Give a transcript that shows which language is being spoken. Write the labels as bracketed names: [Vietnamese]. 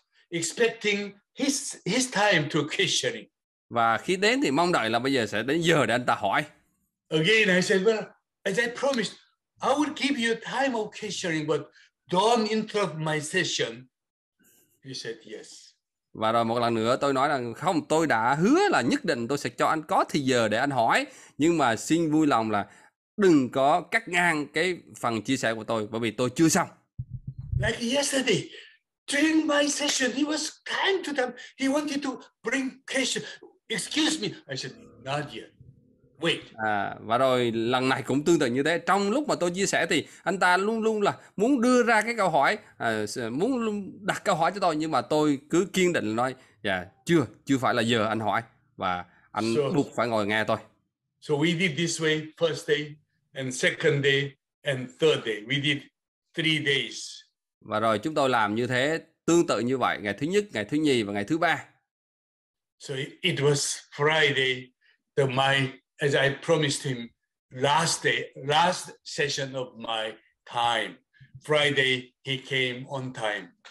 [English] Expecting his time to questioning. [Vietnamese] Và khi đến thì mong đợi là bây giờ sẽ đến giờ để anh ta hỏi. [English] Again I said, well, as I promised, I would give you time of questioning, but don't interrupt my session. He said yes. [Vietnamese] Và rồi một lần nữa tôi nói rằng không, tôi đã hứa là nhất định tôi sẽ cho anh có thời giờ để anh hỏi, nhưng mà xin vui lòng là đừng có cắt ngang cái phần chia sẻ của tôi bởi vì tôi chưa xong. [English] Like yesterday, during my session, he was kind to them. He wanted to bring question. Excuse me, I said, not yet. Wait. [Vietnamese] À, và rồi lần này cũng tương tự như thế. Trong lúc mà tôi chia sẻ thì anh ta luôn luôn là muốn đưa ra cái câu hỏi, muốn đặt câu hỏi cho tôi, nhưng mà tôi cứ kiên định nói, chưa phải là giờ anh hỏi, và anh buộc phải ngồi nghe tôi. [English] So we did this way, first day, and second day, and third day. We did 3 days. [Vietnamese] Và rồi chúng tôi làm như thế, tương tự như vậy, ngày thứ nhất, ngày thứ nhì và ngày thứ ba. [English] So it was Friday, as I promised him, last day, last session of my time. Friday, he came on time.